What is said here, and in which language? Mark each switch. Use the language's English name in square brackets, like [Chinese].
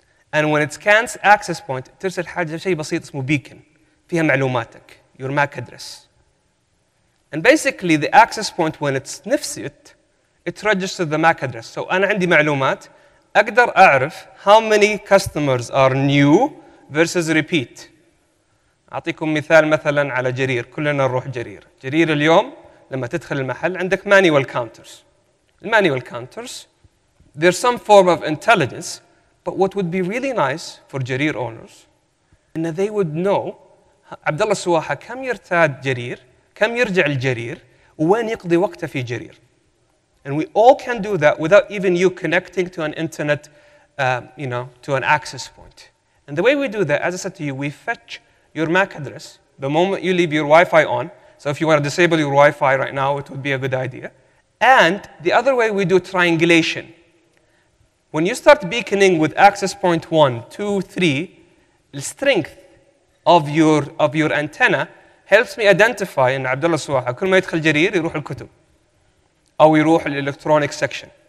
[English] And when it scans access point, [Arabic] ترسل حاجة شيء بسيط اسمه [English] beacon, [Arabic] فيها معلوماتك, [English] your MAC address. And basically, the access point, when it sniffs it, it registers the MAC address. So [Arabic] أنا عندي معلومات, أقدر أعرف [English] how many customers are new versus repeat. [Arabic] أعطيكم مثال مثلاً على جرير, كلنا نروح جرير. جرير اليوم, لما تدخل المحل, عندك manual counters. [English] Manual counters, there's some form of intelligence, but what would be really nice for Jarir owners, and they would know, [Arabic] عبدالله السواحة كم يرتاد جرير, كم يرجع الجرير, وين يقضي وقته في جرير. [English] And we all can do that without even you connecting to an internet, to an access point. And the way we do that, as I said to you, we fetch your MAC address the moment you leave your Wi-Fi on. So if you want to disable your Wi-Fi right now, it would be a good idea. And the other way we do triangulation. When you start beaconing with access point 1, 2, 3, the strength of your antenna helps me identify in Abdullah Suwaha, [Arabic] كل ما يدخل جرير يروح الكتب. أو يروح الالكترونيك section.